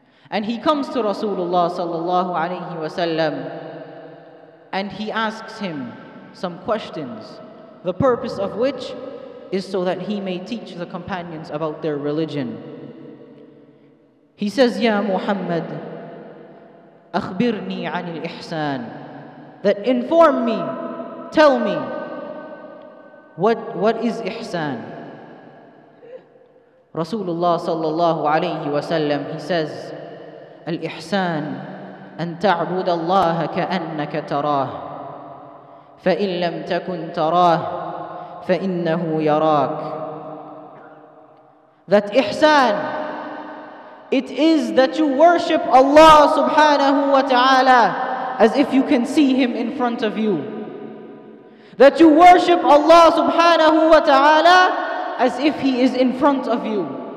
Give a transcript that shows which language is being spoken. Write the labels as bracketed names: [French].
[English] And he comes to Rasulullah sallallahu alayhi wasallam and he asks him some questions, the purpose of which is so that he may teach the companions about their religion. He says, [Arabic] Ya Muhammad, akhbirni anil ihsan, [English] that inform me, tell me, what is ihsan? Rasulullah sallallahu alayhi wasallam, he says, [Arabic] الإحسان أن تعبد الله كأنك تراه فإن لم تكن تراه فإنه يراك. [English] That إحسان, it is that you worship Allah subhanahu wa ta'ala as if you can see him in front of you. That you worship Allah subhanahu wa ta'ala as if he is in front of you.